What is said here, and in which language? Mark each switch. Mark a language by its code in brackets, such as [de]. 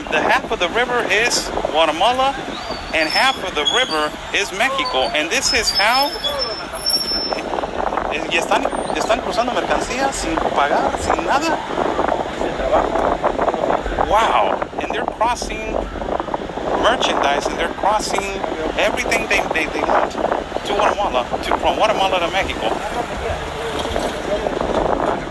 [en] The half of the river is Guatemala and half of the river is Mexico. And this is how. [es] Y están cruzando mercancías sin pagar, sin nada. [en] Wow. And they're crossing merchandise and they're crossing everything they want to Guatemala, to from Guatemala to Mexico.